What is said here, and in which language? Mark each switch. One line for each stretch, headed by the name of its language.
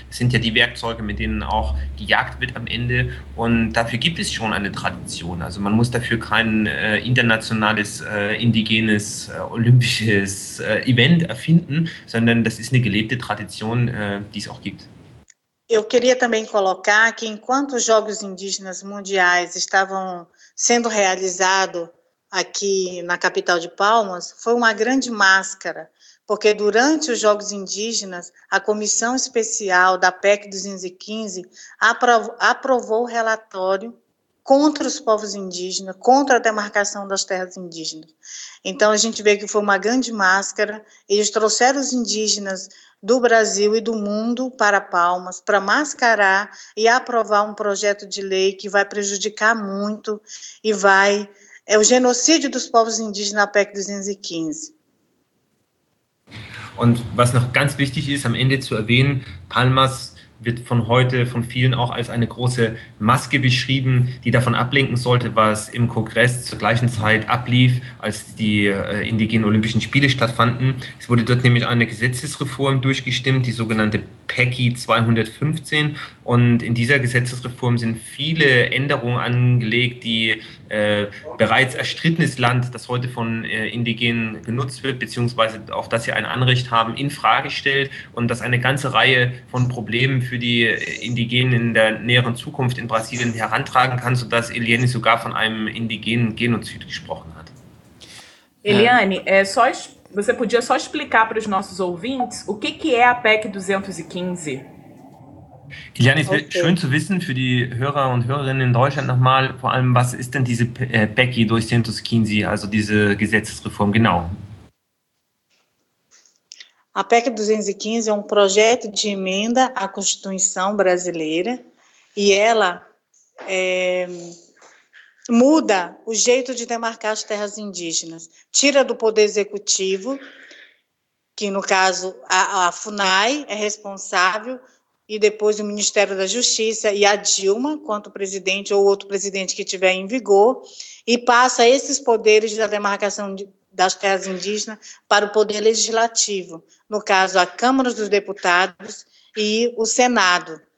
German: Das sind ja die Werkzeuge, mit denen auch gejagt wird am Ende und dafür gibt es schon eine Tradition. Also man muss dafür kein internationales indigenes olympisches Event erfinden, sondern das ist eine gelebte Tradition, die es auch gibt.
Portuguese: Eu queria também colocar que enquanto os Jogos Indígenas Mundiais estavam sendo realizados aqui na capital de Palmas, foi uma grande máscara, porque durante os Jogos Indígenas, a Comissão Especial da PEC 215 aprovou o relatório contra os povos indígenas, contra a demarcação das terras indígenas. Então, a gente vê que foi uma grande máscara, eles trouxeram os indígenas do Brasil e do mundo para Palmas, para mascarar e aprovar um projeto de lei que vai prejudicar muito e vai... É o genocídio dos povos indígenas na PEC 215.
German: Und was noch ganz wichtig ist, am Ende zu erwähnen, Palmas wird von heute von vielen auch als eine große Maske beschrieben, die davon ablenken sollte, was im Kongress zur gleichen Zeit ablief, als die indigenen Olympischen Spiele stattfanden. Es wurde dort nämlich eine Gesetzesreform durchgestimmt, die sogenannte PECI 215. Und in dieser Gesetzesreform sind viele Änderungen angelegt, die bereits erstrittenes Land, das heute von Indigenen genutzt wird, beziehungsweise auf das sie ein Anrecht haben, in Frage stellt und das eine ganze Reihe von Problemen für die Indigenen in der näheren Zukunft in Brasilien herantragen kann, sodass Eliane sogar von einem indigenen Genozid gesprochen hat.
Portuguese: Eliane, você podia só explicar para os nossos ouvintes o que, que é a PEC 215?
German: Eliane, es wäre schön zu wissen für die Hörer und Hörerinnen in Deutschland nochmal, vor allem, was ist denn diese PEC 215, also diese Gesetzesreform, genau?
Portuguese: A PEC 215 é um projeto de emenda à Constituição brasileira e ela muda o jeito de demarcar as terras indígenas. Tira do poder executivo, que no caso a FUNAI é responsável, e depois o Ministério da Justiça e a Dilma, quanto presidente ou outro presidente que tiver em vigor, e passa esses poderes da demarcação das terras indígenas para o poder legislativo, no caso a Câmara dos Deputados e o Senado.